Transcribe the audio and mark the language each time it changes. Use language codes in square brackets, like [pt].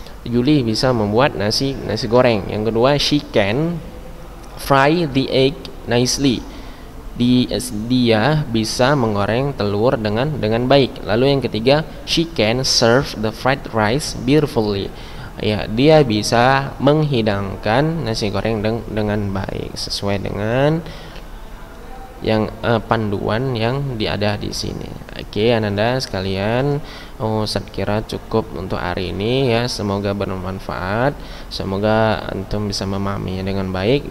[id] Yuli bisa membuat nasi goreng. Yang kedua, [en] she can fry the egg nicely. [id] Dia bisa menggoreng telur dengan baik. Lalu yang ketiga, [en] she can serve the fried rice beautifully. [id] Ya, dia bisa menghidangkan nasi goreng dengan baik sesuai dengan yang panduan yang ada di sini. Oke, Ananda sekalian, saya kira cukup untuk hari ini ya. Semoga bermanfaat. Semoga antum bisa memahaminya dengan baik.